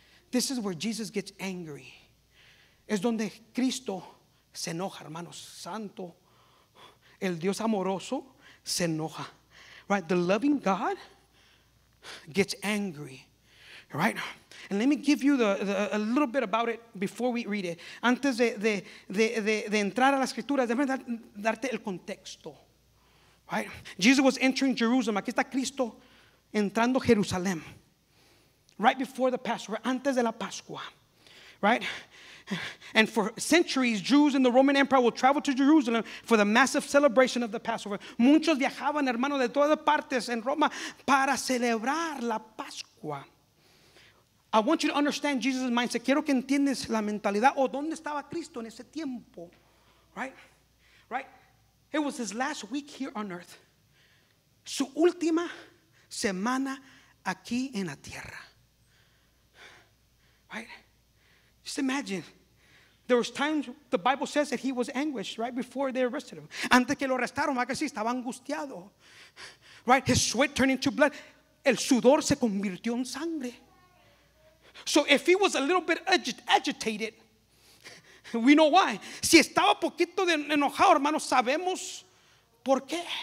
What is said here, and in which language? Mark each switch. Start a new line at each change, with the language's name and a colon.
English: This is where Jesus gets angry.
Spanish: Es donde Cristo se enoja, hermanos. Santo, el Dios amoroso se enoja. Right?
English: The loving God gets angry. Right? And let me give you a little bit about it before we read it.
Spanish: Antes de entrar a las escrituras, déjame darte el contexto.
English: Right? Jesus was entering Jerusalem.
Spanish: Aquí está Cristo entrando a Jerusalén.
English: Right before the Passover,
Spanish: antes de la Pascua.
English: Right? And for centuries, Jews in the Roman Empire would travel to Jerusalem for the massive celebration of the Passover.
Spanish: Muchos viajaban, hermano, de todas partes en Roma para celebrar la Pascua.
English: I want you to understand Jesus' mindset.
Spanish: Quiero que entiendas la mentalidad o dónde estaba Cristo en ese tiempo.
English: Right? Right? It was his last week here on earth.
Spanish: Su última semana aquí en la tierra.
English: Right? Just imagine. There was times the Bible says that he was anguished right before they arrested him.
Spanish: Antes que lo arrestaron, va que sí, estaba angustiado.
English: Right? His sweat turned into blood.
Spanish: El sudor se convirtió en sangre.
English: So if he was a little bit agitated, we know why.
Spanish: Si estaba poquito de enojado, hermanos, sabemos por qué.